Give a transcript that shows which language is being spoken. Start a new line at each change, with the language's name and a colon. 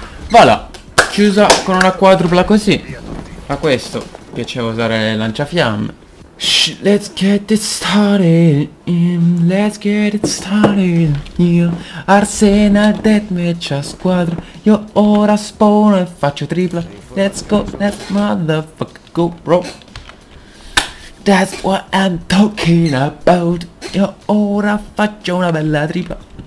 Italian: Voilà, chiusa con una quadrupla così. A questo piaceva usare lanciafiamme.
English: Shh, let's get it started. Let's get it started.
Italian: Io Arsenal deathmatch a squadra. Io ora spawno e faccio tripla.
English: Let's go, let's motherfucker go, bro. That's what I'm talking about.
Italian: Io ora faccio una bella tripla.